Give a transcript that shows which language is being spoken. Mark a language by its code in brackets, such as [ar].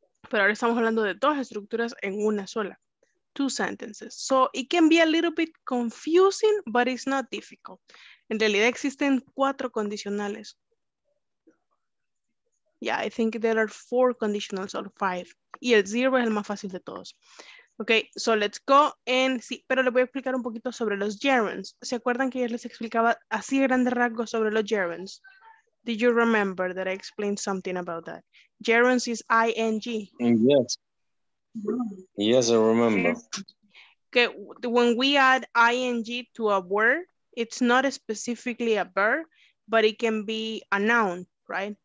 [es] Pero ahora estamos hablando de dos estructuras en una sola. [en] Two sentences. So it can be a little bit confusing, but it's not difficult. [es] En realidad existen cuatro condicionales. [en] Yeah, I think there are four conditionals or five. [es] Y el zero es el más fácil de todos. [en] Okay, so let's go and see. [es] Pero les voy a explicar un poquito sobre los gerunds. ¿Se acuerdan que ya les explicaba así grandes rasgos sobre los gerunds? [en] Did you remember that I explained something about that? Gerunds is ing. Yes. Yes, I remember. Okay, when we add ing to a word, it's not specifically a verb, but it can be a noun, right?